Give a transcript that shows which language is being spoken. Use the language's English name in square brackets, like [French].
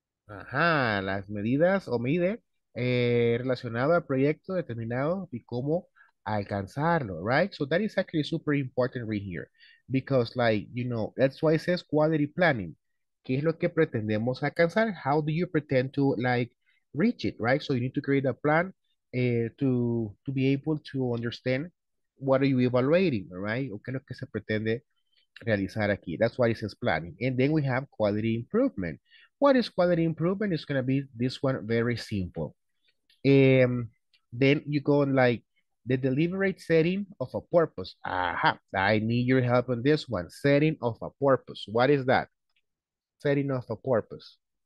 [Spanish] Ajá, las medidas o mide relacionado al proyecto determinado y cómo alcanzarlo, right? [English] So that is actually super important right here because like, you know, that's why it says quality planning. [Spanish] ¿Qué es lo que pretendemos alcanzar? [English] How do you pretend to like reach it, right? So you need to create a plan to be able to understand what are you evaluating, right? [Spanish] ¿O qué es lo que se pretende realizar aquí? [English] That's why it says planning. And then we have quality improvement. What is quality improvement? It's going to be this one, very simple. Then you go on like the deliberate setting of a purpose. Aha, I need your help on this one. Setting of a purpose. What is that? Setting of a purpose.